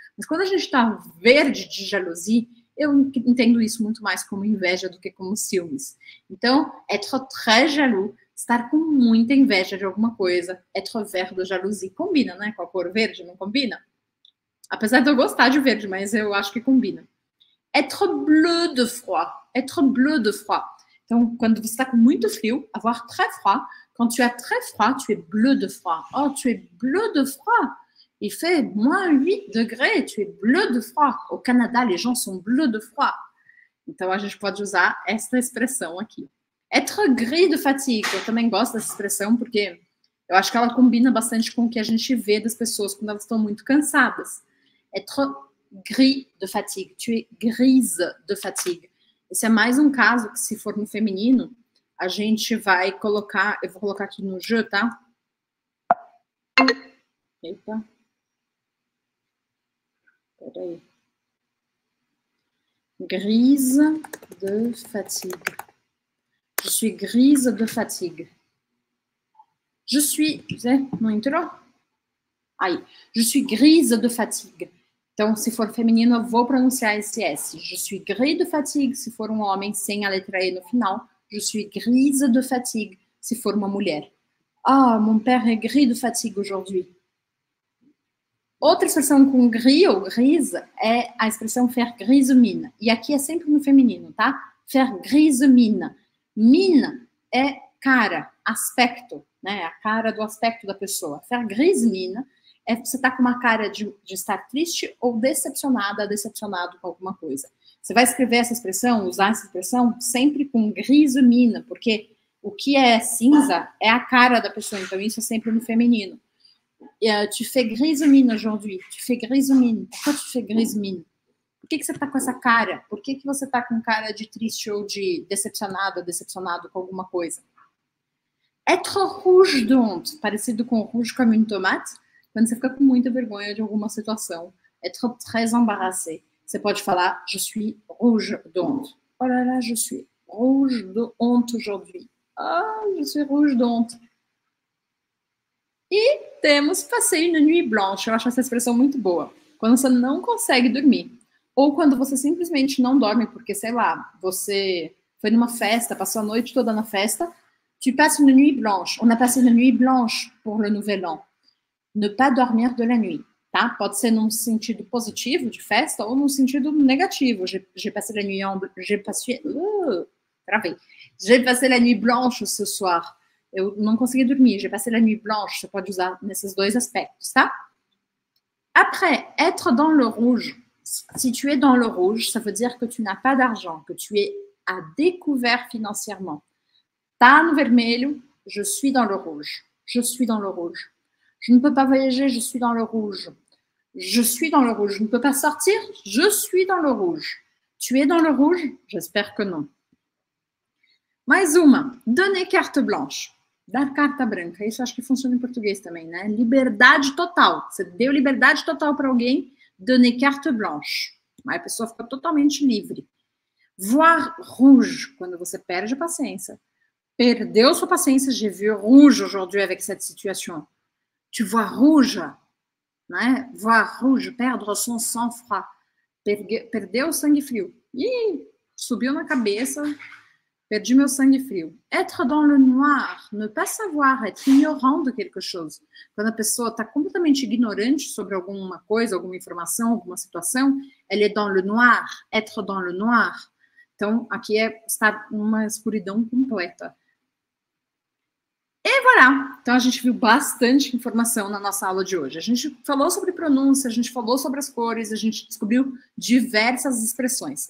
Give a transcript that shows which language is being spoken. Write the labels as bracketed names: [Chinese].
[Portuguese] Mas quando a gente está verde [French] de jalousie, [Portuguese] eu entendo isso muito mais como inveja do que como ciúmes. Então, [French] être très jaloux, [Portuguese] estar com muita inveja de alguma coisa, [French] être vert de jalousie, [Portuguese] combina, né? Com a cor verde, não combina? Apesar de eu gostar de verde, mas eu acho que combina. [French] Être bleu de froid, être bleu de froid. [Portuguese] Então, quando você está com muito frio, [French] avoir très froid. Quand tu as très froid, tu es bleu de froid. Oh, tu es bleu de froid. Il fait moins 8 degrés, tu es bleu de froid. Au Canada, les gens sont bleus de froid. [Portuguese] Então, a gente pode usar essa expressão aqui. [French] Être gris de fatigue. [Portuguese] Eu também gosto dessa expressão, porque eu acho que ela combina bastante com o que a gente vê das pessoas quando elas estão muito cansadas. [French] Être gris de fatigue. Tu es grise de fatigue. [Portuguese] Esse é mais um caso que, se for no feminino, a gente vai colocar, eu vou colocar aqui no je, tá? Eita. Peraí. [French] Grise de fatigue. Je suis grise de fatigue. Je suis, [Portuguese] você não entrou? Aí. [French] Je suis grise de fatigue. [Portuguese] Então, se for feminino, eu vou pronunciar esse S. [French] Je suis grise de fatigue. [Portuguese] Se for um homem, sem a letra E no final. [French] Je suis grise de fatigue, [Portuguese] se for uma mulher. [French] Ah, mon père est gris de fatigue aujourd'hui. [Portuguese] Outra expressão com gris ou grise é a expressão [French] faire grise mine. [Portuguese] E aqui é sempre no feminino, tá? [French] Faire grise mine. [Portuguese] Mine é cara, aspecto, né? A cara do aspecto da pessoa. [French] Faire grise mine [Portuguese] é você tá com uma cara de estar triste ou decepcionada, decepcionado com alguma coisa. Você vai escrever essa expressão, usar essa expressão, sempre com grise mine, porque o que é cinza é a cara da pessoa, então isso é sempre no feminino. [French] Tu fais grise mine aujourd'hui. Tu fais grise mine. Pourquoi tu fais grise mine? [Portuguese] Por que, que você tá com essa cara? Por que, que você tá com cara de triste ou de decepcionada, decepcionado com alguma coisa? [French] Être rouge de honte, [Portuguese] parecido com [French] rouge comme une tomate, [Portuguese] quando você fica com muita vergonha de alguma situação. [French] Être très embarrassé. [Portuguese] Você pode falar, [French] je suis rouge de honte. Oh là là, je suis rouge de honte aujourd'hui. Ah, je suis rouge de honte. [Portuguese] E temos [French] passer une nuit blanche. [Portuguese] Eu acho essa expressão muito boa. Quando você não consegue dormir. Ou quando você simplesmente não dorme, porque, sei lá, você foi numa festa, passou a noite toda na festa. [French] Tu passes une nuit blanche. On a passé une nuit blanche pour le nouvel an. Ne pas dormir de la nuit. [Portuguese] Tá? Pode ser num sentido positivo de festa ou num sentido negativo. [French] J'ai passé la nuit blanche. J'ai passé la nuit blanche ce soir. [Portuguese] Eu não consegui dormir. [French] J'ai passé la nuit blanche. [Portuguese] Você pode usar nesses dois aspectos, tá? [French] Après, être dans le rouge. Si tu es dans le rouge, ça veut dire que tu n'as pas d'argent, que tu es à découvert financièrement. [Portuguese] Tá no vermelho, [French] je suis dans le rouge. Je suis dans le rouge. Je ne peux pas voyager, je suis dans le rouge. Je suis dans le rouge. Je ne peux pas sortir, je suis dans le rouge. Tu es dans le rouge? J'espère que non. [Portuguese] Mais uma. [French] Donner carte blanche. [Portuguese] Dar carta branca. Isso acho que funciona em português também, né? Liberdade total. Você deu liberdade total para alguém, [French] donner carte blanche. [Portuguese] Aí a pessoa fica totalmente livre. [French] Voir rouge. [Portuguese] Quando você perde a paciência. Perdeu sua paciência. [French] J'ai vu rouge aujourd'hui avec cette situation. Tu vois rouge, né? Voir rouge, perdre son sang-froid. [Portuguese] Perdeu o sangue frio. Ih, subiu na cabeça, perdi meu sangue frio. [French] Être dans le noir, ne pas savoir, être ignorant de quelque chose. [Portuguese] Quando a pessoa está completamente ignorante sobre alguma coisa, alguma informação, alguma situação, [French] elle est dans le noir, être dans le noir. [Portuguese] Então, aqui é estar numa escuridão completa. [French] Et voilà! [Portuguese] Ceará. Então, a gente viu bastante informação na nossa aula de hoje. A gente falou sobre pronúncia, a gente falou sobre as cores, a gente descobriu diversas expressões.